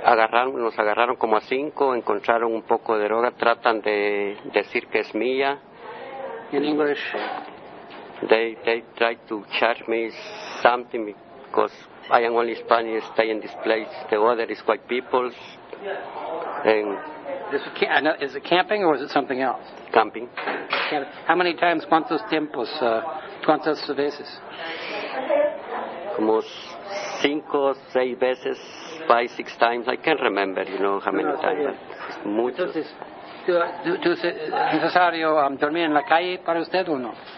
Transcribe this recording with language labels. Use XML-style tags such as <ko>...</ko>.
<es>Nos agarraron como a 5, encontraron un poco de droga, tratan de decir que es mía.</es> <en>In English? They try to charge me something because I am only Spanish, stay in this place. The other is white people. Is it camping or is it something else? Camping. How many times,</en> <es>cuántos tiempos, cuántas veces? Como cinco, seis veces,</es> <en>five, six times. I can't remember, you know, how many times. But muchos.</en> <es>Entonces, ¿es necesario dormir en la calle para usted o no?</es>